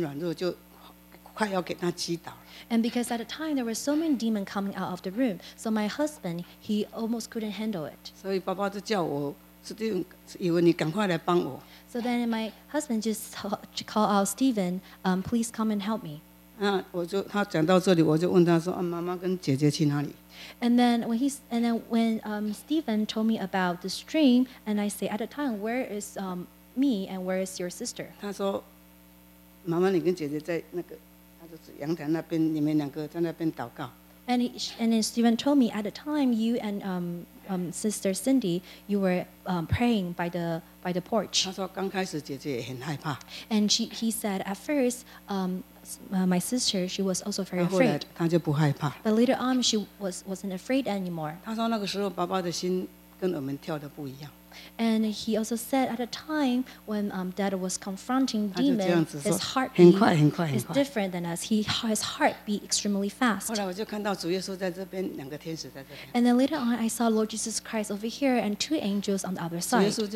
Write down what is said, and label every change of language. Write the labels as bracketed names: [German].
[Chinese] 刚出来的时候，因为很多的魔鬼，所以爸爸就很软弱，就快要给他击倒。And [English] because at the time there were so many demons coming out of the room, so my husband he almost couldn't handle it. [Chinese] 所以爸爸就叫我，Steven，以为你赶快来帮我。So [English] then my husband just called out Steven, please come and help me. [Chinese] 那我就他讲到这里，我就问他说，妈妈跟姐姐去哪里？ [English] And then when Stephen told me about the dream, and I say at the time, where is me and where is your sister? [Chinese] 他说，妈妈，你跟姐姐在那个，他就是阳台那边，你们两个在那边祷告。 [English] And Stephen told me at the time, you and sister Cindy, you were praying by the porch. [Chinese] 他说刚开始姐姐也很害怕。 [English] And he said at first, my sister, she was also very afraid. [Chinese] 她就不害怕。 [English] But later on, she wasn't afraid anymore. [Chinese] 她说那个时候爸爸的心跟我们跳的不一样。 [English] And he also said at a time when dad was confronting demon, his heart is different than us. His heart beat extremely fast. And then later on, I saw Lord Jesus Christ over here and two angels on the other side.